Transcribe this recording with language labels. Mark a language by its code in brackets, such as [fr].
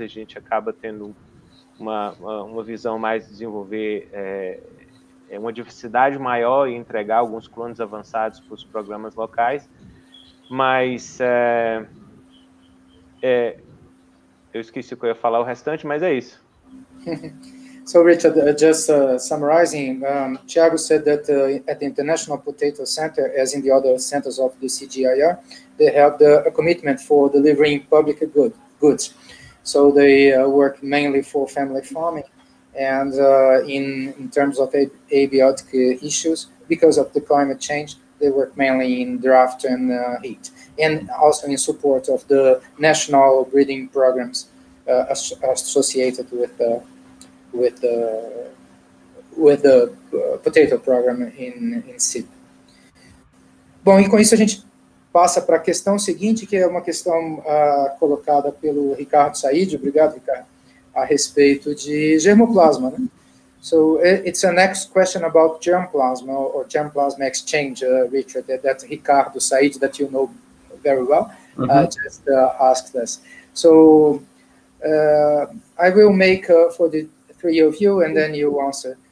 [pt] A gente acaba tendo uma visão mais desenvolver uma diversidade maior e entregar alguns clones avançados para os programas locais. Mas eu esqueci o que eu ia falar o restante, mas é isso. [en] So, Richard, just summarizing, Thiago said that at the International Potato Center, as in the other centers of the CGIAR, they have a commitment for delivering public goods. So they work mainly for family farming and in terms of abiotic issues, because of the climate change, they work mainly in drought and heat, and also in support of the national breeding programs associated with the potato program in SIB. [pt] Bom, e com isso a gente passa para a questão seguinte, que é uma questão colocada pelo Ricardo Said, obrigado, Ricardo, a respeito de germoplasma. Né? [en] So, it's a next question about germplasma or germplasma exchange, Richard, that Ricardo Said, that you know very well, just asked us. So, I will make for the three of you, and then you answer.